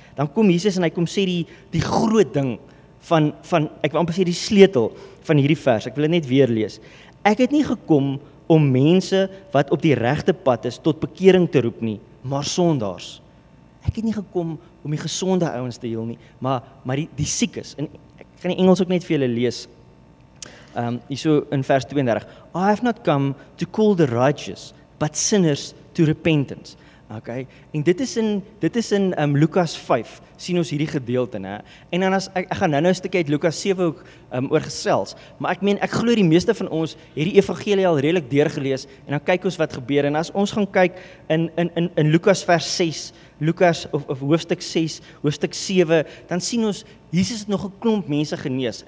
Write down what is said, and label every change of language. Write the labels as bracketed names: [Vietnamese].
[Afrikaans] dan kom Jesus en hy kom sê die groot ding van ek wil amper sê die sleutel van hierdie vers. Ek wil dit net weer lees. Ek het nie gekom om mense wat op die regte pad is tot bekering te roep nie, maar sondaars. Ek het nie gekom om die gesonde ouens te heel nie, maar die siekes. En ek gaan die Engels ook net vir julle lees. Hierso in vers 32. [English] I have not come to call the righteous, but sinners to repentance. [Afrikaans] Okay? En dit is in Lukas 5, sien ons hierdie gedeelte. Ne? En dan as, ek gaan nou een stukje uit Lukas 7 ook oor gesels. Maar ek meen, ek glo die meeste van ons het die evangelie al redelijk deurgelees, en dan kyk ons wat gebeur. En as ons gaan kyk in Lukas vers 6, Lukas of hoofstuk 6, hoofstuk 7, dan sien ons, Jesus het nog een klomp mense genees.